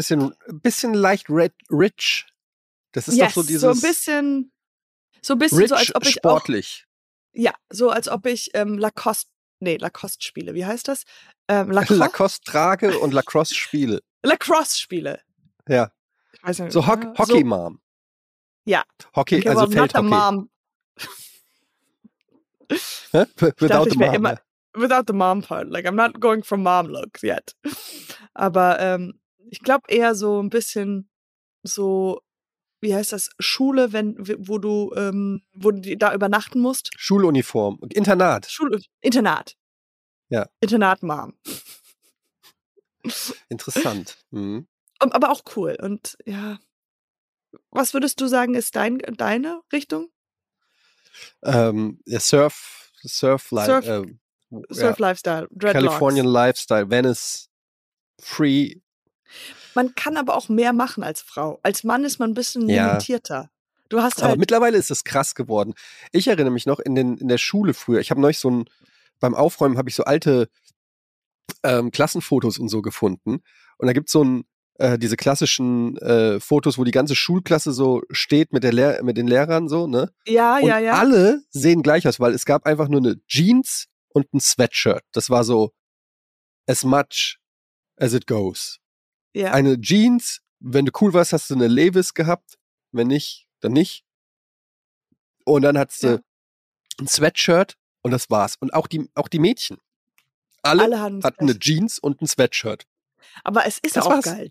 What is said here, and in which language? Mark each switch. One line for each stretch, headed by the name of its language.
German: So ein bisschen leicht rich. Das ist
English: yes,
German: doch so dieses... So ein bisschen
English: rich,
German: so, als ob ich sportlich. Auch, ja, so als ob ich Lacoste spiele, wie heißt das? Lacoste trage und Lacrosse spiele. Lacrosse spiele. Ja. Also, so Hockey-Mom. Ja. Hockey, okay, also Feldhockey.
English: Mom. Without the mom. Immer, without the mom part. Like, I'm not going for mom look yet.
German: Aber ich glaube eher so ein bisschen so, wie heißt das, Schule, wo du da übernachten musst. Schuluniform. Internat. Internat. Ja. Internat-Mom. Interessant. Mhm. Aber auch cool. Und ja, was würdest du sagen, ist deine Richtung? Surf Lifestyle. Dreadlocks.
English: Californian Lifestyle. Venice. Free.
German: Man kann aber auch mehr machen als Frau. Als Mann ist man ein bisschen limitierter. Du hast halt. Aber mittlerweile ist es krass geworden. Ich erinnere mich noch in der Schule früher. Ich habe neulich beim Aufräumen habe ich so alte Klassenfotos und so gefunden. Und da gibt es so ein. Diese klassischen Fotos, wo die ganze Schulklasse so steht mit den Lehrern so, ne? Ja, und ja, ja. Alle sehen gleich aus, weil es gab einfach nur eine Jeans und ein Sweatshirt. Das war so
English: as much as it goes.
German: Ja. Eine Jeans, wenn du cool warst, hast du eine Levi's gehabt. Wenn nicht, dann nicht. Und dann hattest du ein Sweatshirt und das war's. Und auch die Mädchen. Alle hatten eine Jeans und ein Sweatshirt. Aber es ist auch geil.